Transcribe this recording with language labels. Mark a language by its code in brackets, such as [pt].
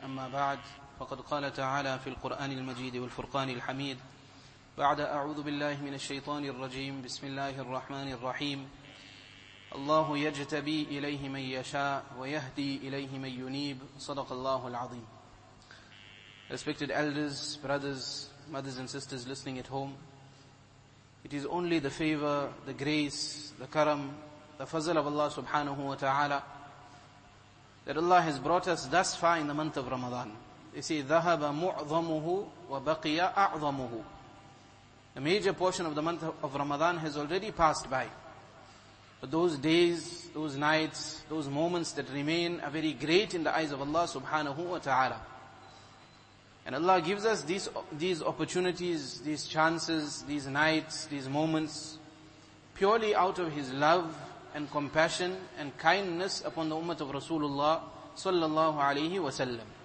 [ar] أما بعد، فقد قال تعالى في القرآن المجيد والفرقان الحميد بعد: أعوذ بالله من الشيطان الرجيم، بسم الله الرحمن الرحيم. الله يجتبي إليه من يشاء ويهدي إليه من ينيب. صدق الله العظيم. [en] Respected elders, brothers, mothers and sisters listening at home, it is only the favor, the grace, the karam, the fazl of Allah subhanahu wa ta'ala that Allah has brought us thus far in the month of Ramadan. They say, [ar] ذَهَبَ مُعْظَمُهُ وَبَقِيَ أَعْظَمُهُ. [en] A major portion of the month of Ramadan has already passed by. But those days, those nights, those moments that remain are very great in the eyes of Allah subhanahu wa ta'ala. And Allah gives us these opportunities, these chances, these nights, these moments, purely out of His love and compassion and kindness upon the ummah of Rasulullah sallallahu alayhi wa sallam.